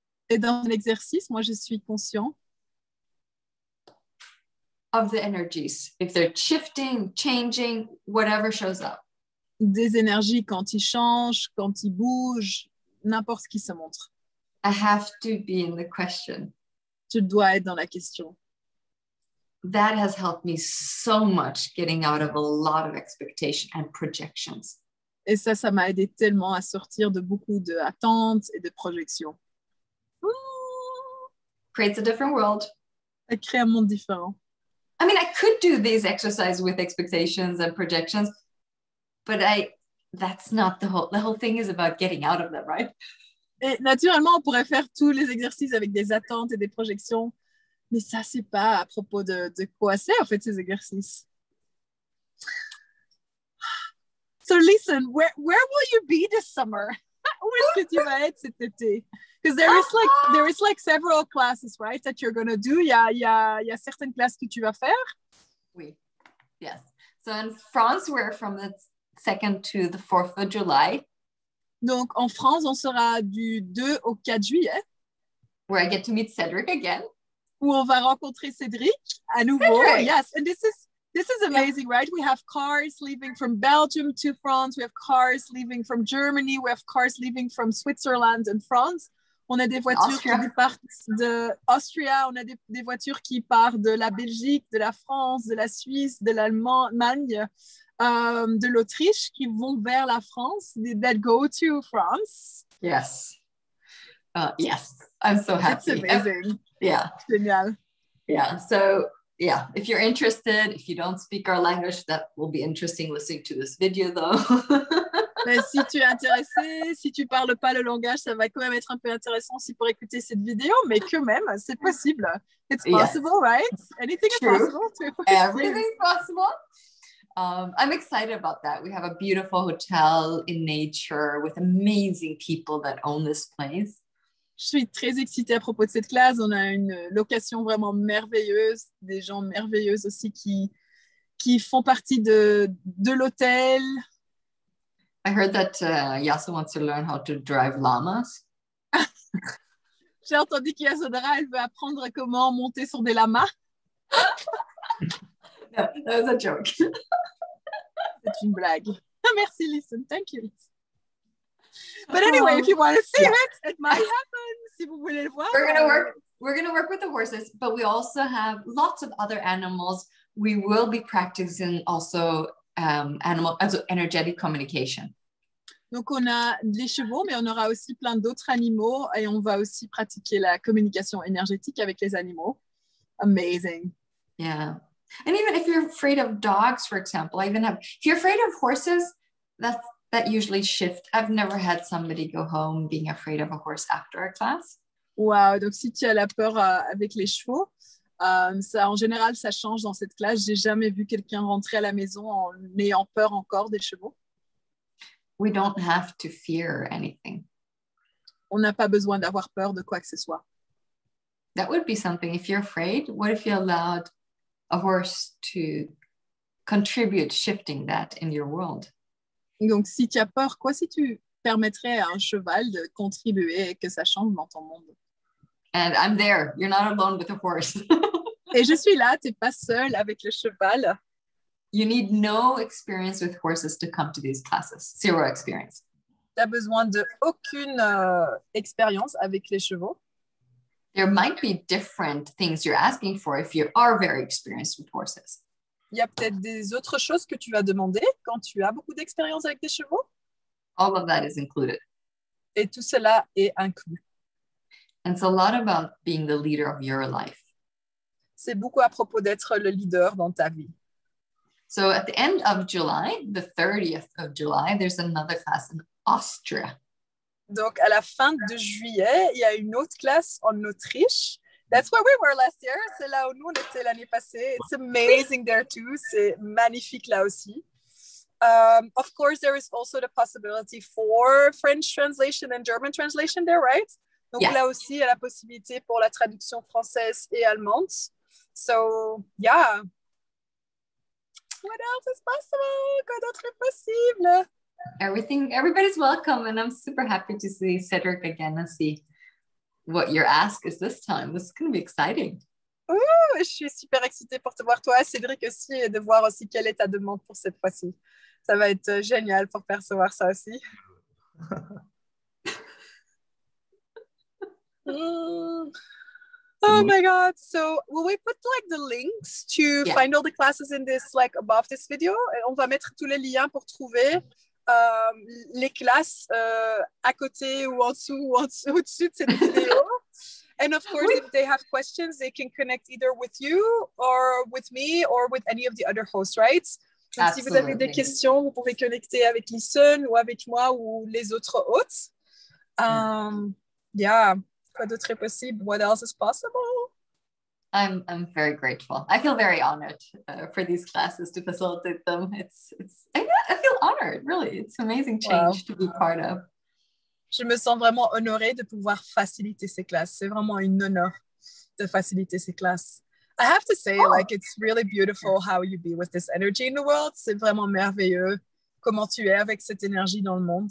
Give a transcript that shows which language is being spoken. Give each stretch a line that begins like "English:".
French: Et dans un exercice, moi je suis conscient.
English: Of the energies. If they're shifting, changing, whatever shows up.
French: Des énergies quand ils changent, quand ils bougent, n'importe ce qui se montre.
English: I have to be in the question.
French: Tu dois être dans la question.
English: That has helped me so much getting out of a lot of expectations and projections.
French: Et ça, ça m'a aidé tellement à sortir de beaucoup d'attentes et de projections.
English: Creates a different world.
French: Ça crée un monde différent.
English: I mean, I could do these exercises with expectations and projections. But that's not the whole thing is about getting out of them, right?
French: Et naturellement, on pourrait faire tous les exercices avec des attentes et des projections, mais ça, c'est pas à propos de quoi c'est, en fait, ces exercices.
English: So listen, where will you be this summer?
French: Où est-ce que tu vas être cet été?
English: Because there is like several classes, right, that you're going to do.
French: Il y a certaines classes que tu vas faire. Oui, yes.
English: So in France, we're from the 2nd to the 4th of July.
French: Donc en France, on sera du 2 au 4 juillet.
English: Where I get to meet Cedric again.
French: Où on va rencontrer Cedric à nouveau. Cedric.
English: Yes, and this is amazing, yeah. Right? We have cars leaving from Belgium to France. We have cars leaving from Germany. We have cars leaving from Switzerland and France.
French: On a des voitures Austria. Qui partent de Austria. On a des voitures qui partent de la Belgique, de la France, de la Suisse, de l'Allemagne, de l'Autriche, qui vont vers la France.
English: That go to France. Yes. Yes. I'm so happy. It's amazing. Yeah.
French: Genial.
English: Yeah. So, yeah, if you're interested, if you don't speak our language, that will be interesting listening to this video, though.
French: Mais si tu es intéressé, si tu parles pas le langage, ça va quand même être un peu intéressant si pour écouter cette vidéo, mais que même, c'est possible.
English: It's possible, yes. Right? Anything true. Is possible. To Everything is possible. I'm excited about that. We have a beautiful hotel in nature with amazing people that own this place.
French: Je suis très excitée à propos de cette classe. On a une location vraiment merveilleuse, des gens merveilleux aussi qui font partie de l'hôtel.
English: I heard that Yasa wants to learn how to drive llamas.
French: J'ai entendu qu'Yasodra, elle veut apprendre comment monter sur des lamas.
English: No, that was a joke.
French: C'est une blague. Merci, Lisen.
English: Thank you. But anyway, if you want to see it, it might happen.
French: Si vous voulez le voir.
English: We're gonna work with the horses, but we also have lots of other animals. We will be practicing also animal as energetic communication.
French: Donc on a les chevaux, mais on aura aussi plein d'autres animaux, et on va aussi pratiquer la communication énergétique avec les animaux.
English: Amazing. Yeah, and even if you're afraid of dogs, for example, if you're afraid of horses, that usually shift. I've never had somebody go home being afraid of a horse after a class.
French: Wow, donc si tu as la peur avec les chevaux, ça en général ça change dans cette classe. J'ai jamais vu quelqu'un rentrer à la maison en ayant peur encore des chevaux.
English: We don't have to fear anything.
French: On n'a pas besoin d'avoir peur de quoi que ce soit.
English: That would be something. If you're afraid, what if you allowed a horse to contribute shifting that in your world?
French: Donc, si tu as peur, quoi si tu permettrais à un cheval de contribuer et que ça change dans ton monde?
English: And I'm there. You're not alone with a horse.
French: Et je suis là. T'es pas seule avec le cheval.
English: You need no experience with horses to come to these classes. Zero experience.
French: T'as besoin d'aucune expérience avec les chevaux.
English: There might be different things you're asking for if you are very experienced with horses.
French: Il y a peut-être des autres choses que tu vas demander quand tu as beaucoup d'expérience avec tes chevaux.
English: All of that is included.
French: Et tout cela est inclus.
English: And it's a lot about being the leader of your life.
French: C'est beaucoup à propos d'être le leader dans ta vie.
English: So at the end of July, the 30th of July, there's another class in Austria.
French: Donc à la fin de juillet, il y a une autre classe en Autriche.
English: That's where we were last year.
French: C'est là où nous on était l'année passée.
English: It's amazing there too.
French: C'est magnifique là aussi.
English: Of course, there is also the possibility for French translation and German translation there, right?
French: Donc yes. Là aussi, il y a la possibilité pour la traduction française et allemande.
English: So, yeah. What else is possible?
French: Quoi d'autre est possible?
English: Everybody's welcome. And I'm super happy to see Cedric again and see what your ask is this time. This is going to be exciting.
French: Ooh, je suis super excitée pour te voir toi, Cédric aussi, et de voir aussi quelle est ta demande pour cette fois-ci. Ça va être génial pour percevoir ça aussi.
English: Oh my God. So will we put like the links to find all the classes in this, like above this video?
French: Et on va mettre tous les liens pour trouver les classes à côté ou au-dessus de cette vidéo.
English: And of course, if they have questions, they can connect either with you or with me or with any of the other hosts, right? Absolutely.
French: Si vous avez des questions, vous pouvez connecter avec Lisen ou avec moi ou les autres hôtes. Yeah, quoi d'autre est possible?
English: What else is possible? I'm very grateful. I feel very honored for these classes to facilitate them. I feel honored, really. It's an amazing change to be part of.
French: Je me sens vraiment honorée de pouvoir faciliter ces classes. C'est vraiment un honneur de faciliter ces classes.
English: I have to say, like, it's really beautiful how you be with this energy in the world.
French: C'est vraiment merveilleux comment tu es avec cette énergie dans le monde.